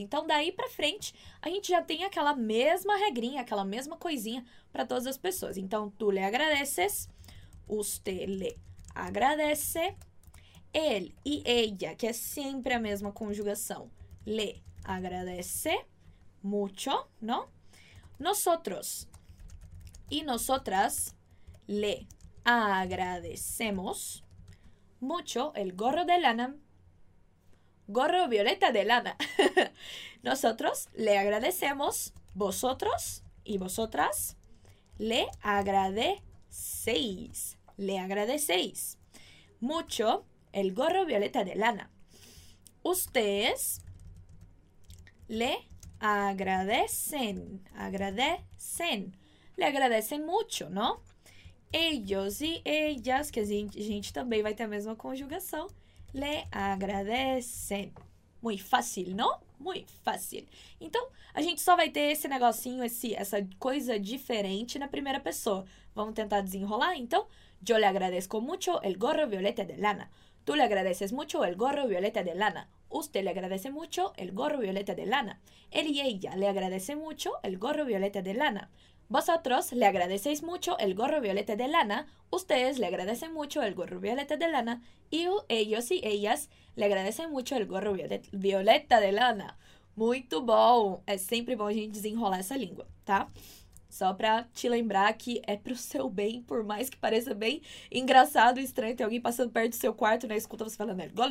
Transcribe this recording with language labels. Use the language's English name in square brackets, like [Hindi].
[Portuguese] Então, daí para frente, a gente já tem aquela mesma regrinha, aquela mesma coisinha para todas as pessoas. [Spanish] Então, tú le agradeces, usted le agradece. [Portuguese] Ele e ella, que é sempre a mesma conjugação. [Spanish] Le agradece mucho, não? Nosotros e nosotras le agradecemos mucho el gorro de lana. Gorro violeta de lana. Nosotros le agradecemos, vosotros y vosotras le agradecéis. Le agradecéis mucho. El gorro violeta de lana. Ustedes le agradecen. Agradecen. Le agradecen mucho, ¿no? [Portuguese] Ellos y ellas, que a gente também vai ter a mesma conjugação. [Spanish] Le agradecen. Muy fácil, ¿no? Muy fácil. [Portuguese] Então, a gente só vai ter esse negocinho, essa coisa diferente na primeira pessoa. Vamos tentar desenrolar? [Spanish] Então, yo le agradezco mucho el gorro violeta de lana. Tú le agradeces mucho el gorro violeta de lana. Usted le agradece mucho el gorro violeta de lana. Él y ella le agradece mucho el gorro violeta de lana. Vosotros le agradecéis mucho el gorro violeta de lana. Ustedes le agradecen mucho el gorro violeta de lana. Y ellos y ellas le agradecen mucho el gorro violeta de lana. [Portuguese] Muito bom! É sempre bom a gente desenrolar essa língua, tá? Só para te lembrar que é pro seu bem, por mais que pareça bem engraçado e estranho ter alguém passando perto do seu quarto na escuta você falando.